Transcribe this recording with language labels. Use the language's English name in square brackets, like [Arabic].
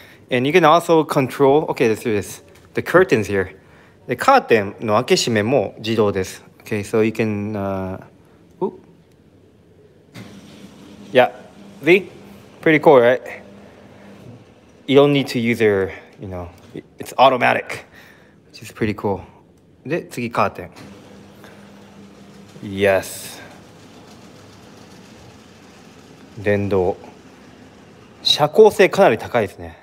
[English] And you can also control, okay, let's do this. The curtains here. [Japanese] カーテンの開け閉めも自動です。 [English] Okay, so you can, ooh. Yeah, see? Pretty cool, right? You don't need to use your, you know, it's automatic, which is pretty cool. [Japanese] で、次カーテン。 Yes 電動遮光性かなり高いですね。